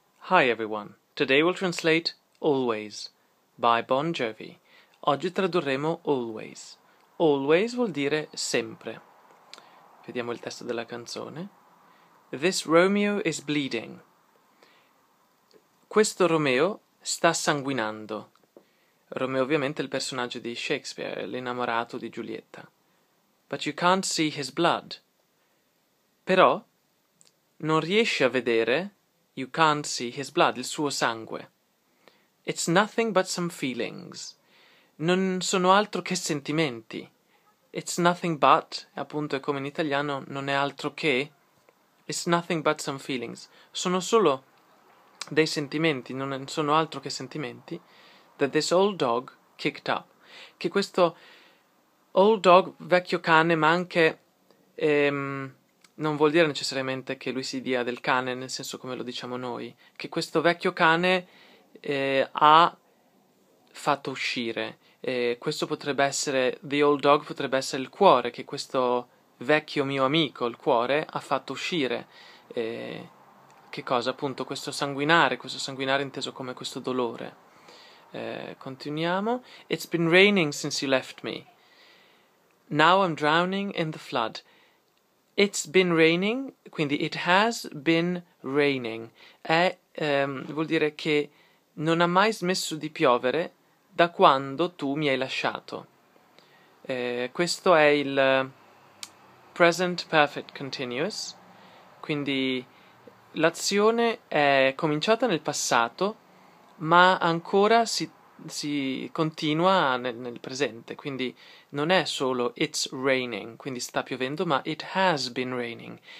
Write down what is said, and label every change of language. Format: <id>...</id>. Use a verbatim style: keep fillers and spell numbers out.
<en>Hi everyone, today we'll translate Always by Bon Jovi.</en> <it>Oggi tradurremo Always. Always vuol dire sempre. Vediamo il testo della canzone.</it> <en>This Romeo is bleeding.</en> <it>Questo Romeo sta sanguinando. Romeo ovviamente è il personaggio di Shakespeare, l'innamorato di Giulietta.</it> <en>But you can't see his blood.</en> <it>Però non riesci a vedere...</it> <en>You can't see his blood,</en> <it>il suo sangue.</it> <en>It's nothing but some feelings.</en> <it>Non sono altro che sentimenti.</it> <en>It's nothing but,</en> <it>appunto è come in italiano, non è altro che.</it> <en>It's nothing but some feelings.</en> <it>Sono solo dei sentimenti, non sono altro che sentimenti.</it> <en>That this old dog kicked up.</en> <it>Che questo</it> <en>old dog,</en> <it>vecchio cane, ma anche... Ehm, non vuol dire necessariamente che lui si dia del cane, nel senso come lo diciamo noi, che questo vecchio cane eh, ha fatto uscire. Eh, questo potrebbe essere,</it> <en>the old dog</en> <it>potrebbe essere il cuore, che questo vecchio mio amico, il cuore, ha fatto uscire. Eh, che cosa? Appunto questo sanguinare, questo sanguinare inteso come questo dolore. Eh, continuiamo.</it> <en>It's been raining since you left me. Now I'm drowning in the flood. It's been raining,</en> <it>quindi</it> <en>it has been raining,</en> <it>è, ehm, vuol dire che non ha mai smesso di piovere da quando tu mi hai lasciato. Eh, questo è il present perfect continuous, quindi l'azione è cominciata nel passato, ma ancora si, si continua nel, nel presente, quindi non è solo</it> <en>it's raining,</en> <it>quindi sta piovendo, ma</it> <en>it has been raining.</en>